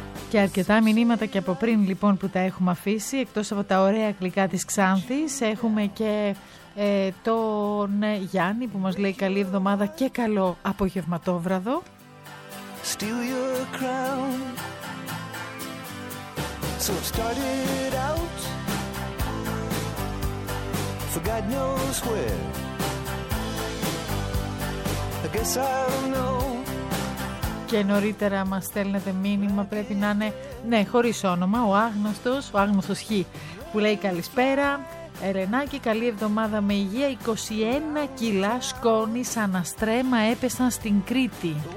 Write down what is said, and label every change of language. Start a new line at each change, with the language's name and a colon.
Greek: Και αρκετά μηνύματα και από πριν λοιπόν που τα έχουμε αφήσει. Εκτός από τα ωραία γλυκά της Ξάνθης, έχουμε και τον Γιάννη που μας λέει καλή εβδομάδα και καλό απογευματόβραδο.
English: Steal your crown. So I've started out for God knows where. I guess I'll know.
Greek: Και νωρίτερα μας στέλνετε μήνυμα, πρέπει να είναι, ναι, χωρίς όνομα, ο άγνωστος Χ, που λέει καλησπέρα Ερενάκη, καλή εβδομάδα με υγεία. 21 κιλά σκόνη σαν αστρέμα έπεσαν στην Κρήτη.